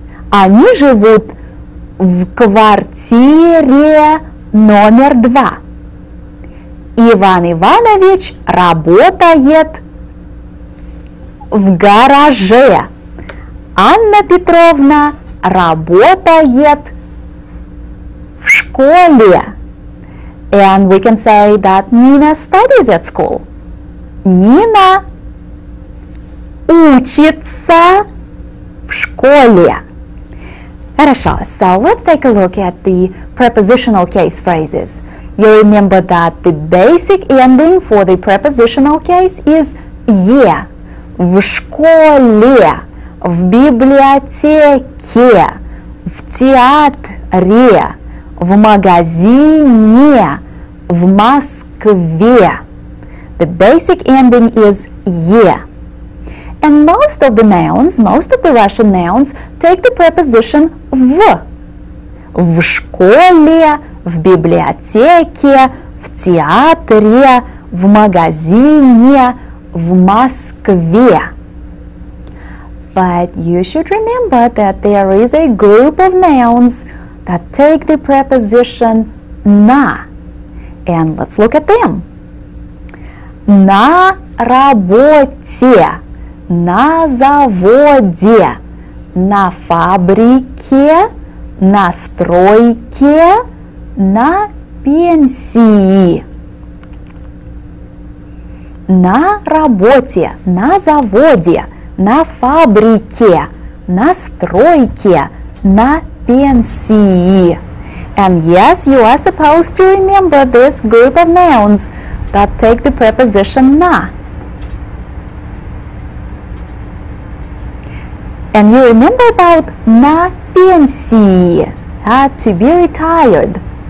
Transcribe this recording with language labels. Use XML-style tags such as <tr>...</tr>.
<ru>Они живут в квартире номер 2. Иван Иванович работает в гараже. Анна Петровна работает в школе.</ru> <en>And we can say that Nina studies at school.</en> <ru>Нина учится в школе. Хорошо,</ru> <en>so let's take a look at the prepositional case phrases. You remember that the basic ending for the prepositional case is «е».</en> <ru>В школе, в библиотеке, в театре, в магазине, в Москве.</ru> <en>The basic ending is «е». And most of the nouns, most of the Russian nouns, take the preposition «в».</en> <ru>В школе, в библиотеке, в театре, в магазине, в Москве.</ru> <en>But you should remember that there is a group of nouns that take the preposition «на». And let's look at them.</en> <ru>На работе, на заводе, на фабрике, на стройке, на пенсии. На работе, на заводе, на фабрике, на стройке, на пенсии.</ru> <en>And yes, you are supposed to remember this group of nouns that take the preposition на. And you remember about</en> <ru>на пенсии,</ru> <en>to be retired.</en>